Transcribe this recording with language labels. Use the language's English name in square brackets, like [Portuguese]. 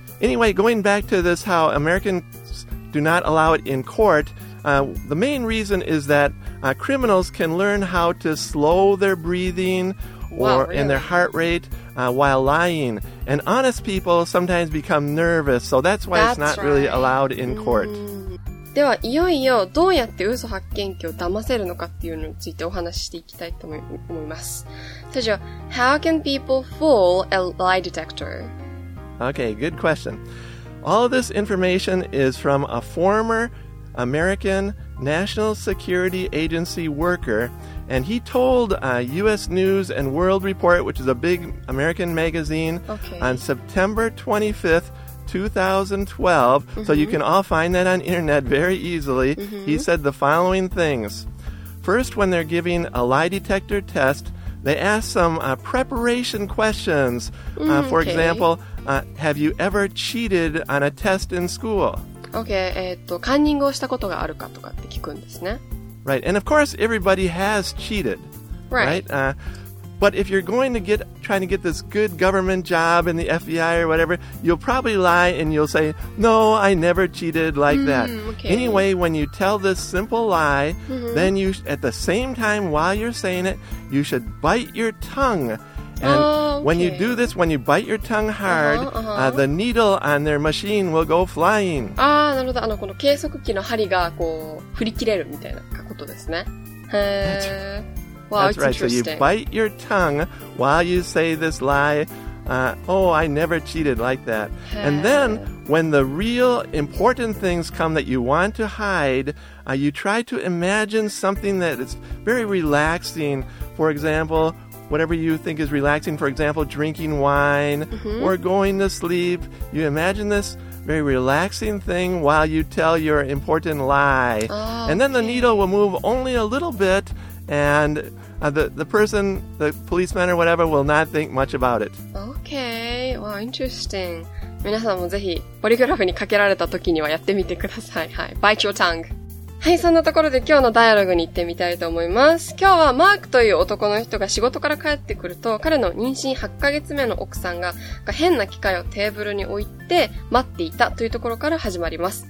[English] Anyway, going back to this, how Americans do not allow it in court, the main reason is that criminals can learn how to slow their breathing or wow, really? And their heart rate while lying. And honest people sometimes become nervous, so that's why that's it's not right. really allowed in court. [Japanese] ではいよいよどうやって嘘発見器を騙せるのかっていうのについてお話ししていきたいと思います。 [English] So, Joe, how can people fool a lie detector? Okay, good question. All of this information is from a former American National Security Agency worker, and he told U.S. News and World Report, which is a big American magazine, on September 25th,2012, so you can all find that on internet very easily. He said the following things. First, when they're giving a lie detector test, they ask some preparation questions. For example, have you ever cheated on a test in school? [Japanese] Okay, カンニングをしたことがあるかとかって聞くんですね。 [English] Right, and of course everybody has cheated. Right. Right? But if you're going to get, trying to get this good government job in the FBI or whatever, you'll probably lie and you'll say, no, I never cheated like that. Okay. Anyway, when you tell this simple lie, then you, at the same time while you're saying it, you should bite your tongue. And when you do this, when you bite your tongue hard, the needle on their machine will go flying. [Japanese] ああ、なるほど。あの、この計測器の針がこう、振り切れるみたいなことですね。へー。 [English] That's right. Wow. That's right. So you bite your tongue while you say this lie. I never cheated like that. And then when the real important things come that you want to hide, you try to imagine something that is very relaxing. For example, whatever you think is relaxing, for example, drinking wine or going to sleep. You imagine this very relaxing thing while you tell your important lie. Oh, and then the needle will move only a little bit, and the person, the policeman or whatever, will not think much about it. Okay, wow, interesting. [Japanese] 皆さんもぜひポリグラフにかけられた時にはやってみてください。 [English] はい、Bite your tongue。 [Japanese] はい、そんなところで今日のダイアログに行ってみたいと思います。今日はマークという男の人が仕事から帰ってくると、彼の妊娠8ヶ月目の奥さんが変な機械をテーブルに置いて待っていたというところから始まります。